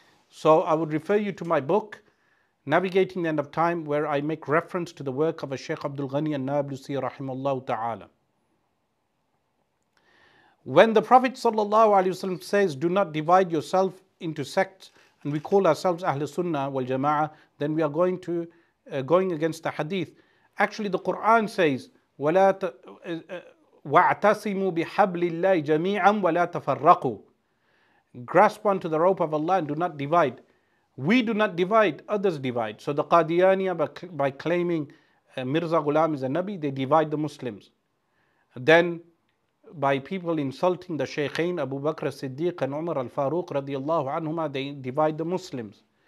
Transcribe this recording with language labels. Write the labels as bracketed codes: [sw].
[en] So I would refer you to my book, Navigating the End of Time, where I make reference to the work of Sheikh Abdul Ghani al-Nablusi rahimallahu ta'ala. When the Prophet sallallahu alayhi wa sallam says, do not divide yourself into sects, and we call ourselves Ahlul Sunnah wal Jama'ah, then we are going to going against the hadith. Actually, the Quran says, [ar] وَاعْتَصِمُوا بِحَبْلِ اللَّهِ جَمِيعًا وَلَا تَفَرَّقُوا. [en] Grasp onto the rope of Allah and do not divide. We do not divide, others divide. So the Qadiyaniya, by claiming Mirza Ghulam is a Nabi, they divide the Muslims. Then, by people insulting the Shaykhain, Abu Bakr as-Siddiq and Umar al-Faruq radiallahu anhumah, they divide the Muslims.